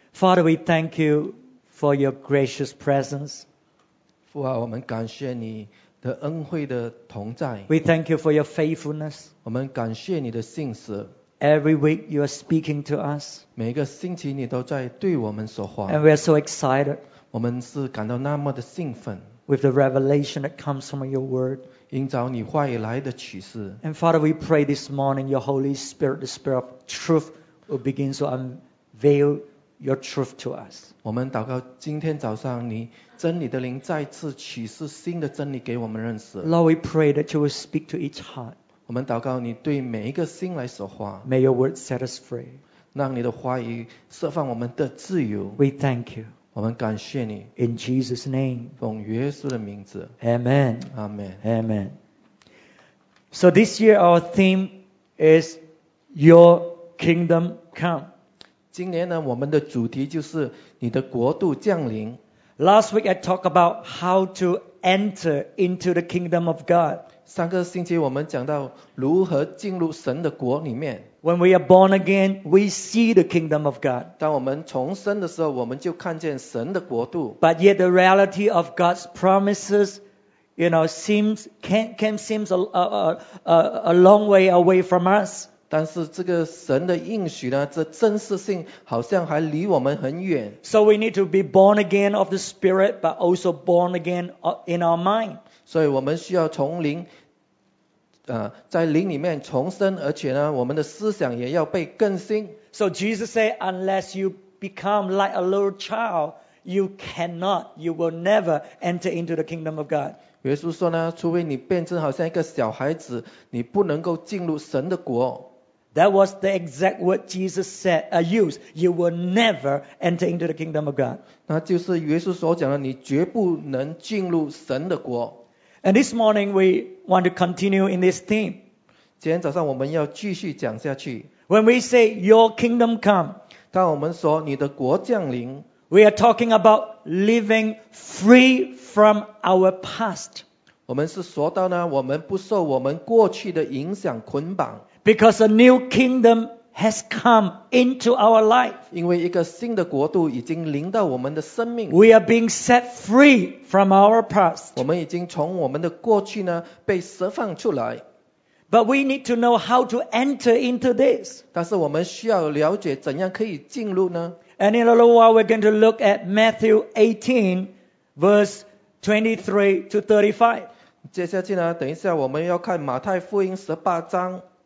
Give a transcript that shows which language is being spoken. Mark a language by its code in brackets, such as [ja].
[en] Father, we thank you for your gracious presence. [zh] 父啊，我们感谢你的恩惠的同在。 [en] We thank you for your faithfulness. [zh] 我们感谢你的信实。 [en] Every week you are speaking to us. [zh] 每个星期你都在对我们说话。 [en] And we are so excited. [zh] 我们是感到那么的兴奋。 [en] With the revelation that comes from your word. [zh] 因着你话语来的启示。 [en] And Father, we pray this morning your Holy Spirit, the Spirit of truth, will begin to unveil your truth to us. [zh] 我们祷告今天早上你真理的灵再次启示新的真理给我们认识。 [en] Lord, we pray that you will speak to each heart. [zh] 我们祷告你对每一个心来说话。 [en] May your word set us free. [zh] 让你的话语释放我们的自由。 [en] We thank you. [zh] 我们感谢你。 [en] In Jesus' name. [zh] 奉耶稣的名字。 [en] Amen. Amen. Amen. So this year our theme is Your Kingdom Come. [zh] 今年呢，我们的主题就是你的国度降临。 [en] Last week I talked about how to enter into the kingdom of God. [zh] 上个星期我们讲到如何进入神的国里面。 [en] When we are born again, we see the kingdom of God. [zh] 当我们重生的时候，我们就看见神的国度。 [en] But yet the reality of God's promises, you know, seems can seems a long way away from us. [zh] 但是这个神的应许呢，这真实性好像还离我们很远。 [en] So we need to be born again of the Spirit, but also born again in our mind. [zh] 所以我们需要从灵，在灵里面重生，而且呢，我们的思想也要被更新。 [en] So Jesus said, unless you become like a little child, you cannot, you will never enter into the kingdom of God. [zh] 耶稣说呢，除非你变成好像一个小孩子，你不能够进入神的国。 [en] That was the exact word Jesus said, used. You will never enter into the kingdom of God. [zh] 那就是耶稣所讲的，你绝不能进入神的国。 [en] And this morning we want to continue in this theme. [zh] 今天早上我们要继续讲下去。 [en] When we say your kingdom come, [zh] 当我们说你的国降临。 [en] We are talking about living free from our past. [zh] 我们是说到呢，我们不受我们过去的影响捆绑。 [en] Because a new kingdom has come into our life. [zh] 因为一个新的国度已经临到我们的生命。 [en] We are being set free from our past. [zh] 我们已经从我们的过去呢被释放出来。 [en] But we need to know how to enter into this. [zh] 但是我们需要了解怎样可以进入呢？ [en] And in a little while, we're going to look at Matthew 18, verse 23 to 35. [zh] 接下去呢，等一下我们要看马太福音十八章。